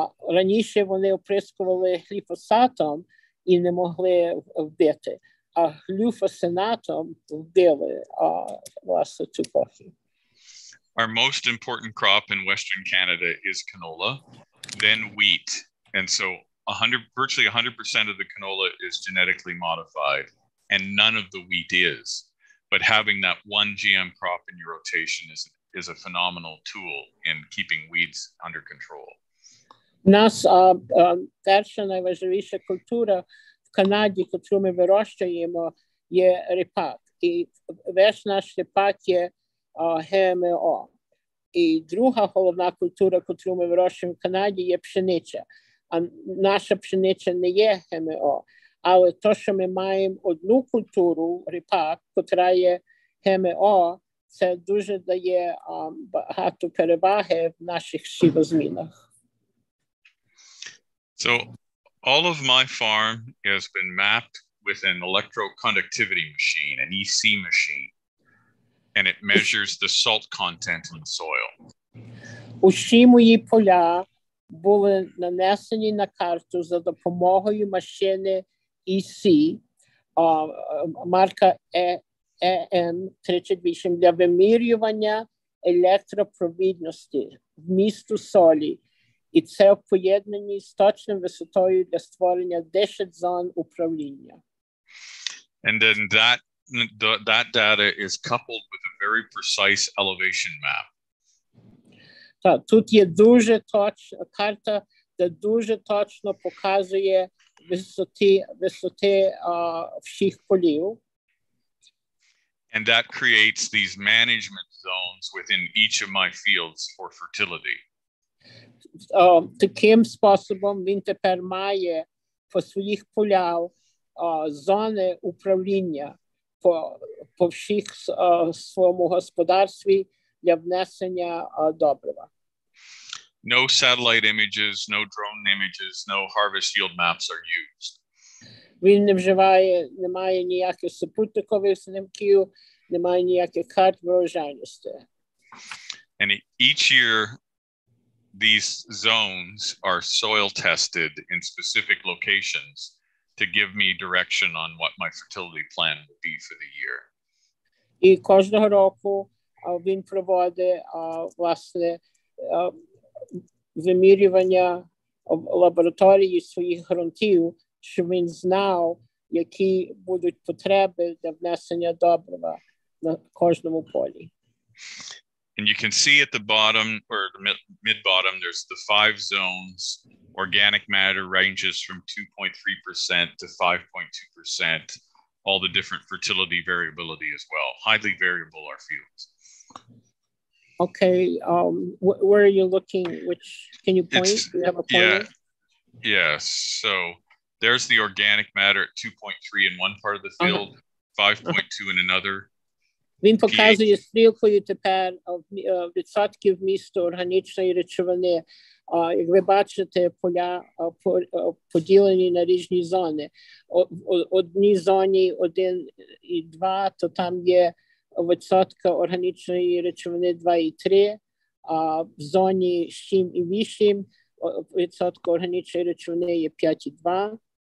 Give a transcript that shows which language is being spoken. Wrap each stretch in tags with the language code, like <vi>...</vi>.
<uk>Раніше вони оприскували глюфосатом і не могли вбити, а глюфосинатом вбили власне цю кохію.</uk> <en>Our most important crop in Western Canada is canola, then wheat. And so virtually 100% of the canola is genetically modified, and none of the wheat is. But but having that one GM crop in your rotation is a phenomenal tool in keeping weeds under control.</en> <uk>Нас перша найважливіша культура в Канаді, яку ми вирощуємо, є ріпак. І весь наш ріпак є ГМО. І друга головна культура, яку ми вирощуємо в Канаді, є пшениця. А наша пшениця не є ГМО. Але то, що ми маємо одну культуру, ріпак, котра є ГМО, це дуже дає багато переваги в наших сівозмінах.</uk> <en>So all of my farm has been mapped with an electroconductivity machine, an EC machine, and it measures the salt content in the soil.</en> <uk>Усі мої поля були нанесені на карту за допомогою машини EC, марка EM38, для вимірювання електропровідності вмісту солі. І це в поєднанні з точною висотою для створення 10 зон управління.</uk> <en>And then that data is coupled with a very precise elevation map.</en> <uk>Так, тут є дуже точна карта, де дуже точно показує висоти всіх полів.</uk> <en>And that creates these management zones within each of my fields for fertility.</en> <uk>Таким способом він тепер має по своїх полях зони управління по всіх своєму господарстві для внесення добрива.</uk> <en>No satellite images, no drone images, no harvest yield maps are used.</en> <uk>Він не вживає, немає ніяких супутникових знімків, немає ніяких карт врожайності.</uk> <en>And each year these zones are soil tested in specific locations to give me direction on what my fertility plan would be for the year.</en> <uk>І кожного року він проводить власне вимірювання в лабораторії своїх ґрунтів, щоб він знав, які будуть потреби для внесення добрива на кожному полі.</uk> <en>And you can see at the bottom or the mid-bottom, there's the five zones. Organic matter ranges from 2.3% to 5.2%. All the different fertility variability as well. Highly variable are fields. Okay. Where are you looking? Which can you point? It's, do you have a point? Yeah. Yes. So there's the organic matter at 2.3 in one part of the field, 5.2 in another.</en> <uk>Він показує стрілкою тепер відсотків місту органічної речовини. Як ви бачите, поля поділені на різні зони. В одній зоні 1 і 2, то там є відсотка органічної речовини 2.3, а в зоні 7 і 8 відсотка органічної речовини є 5.2.</uk>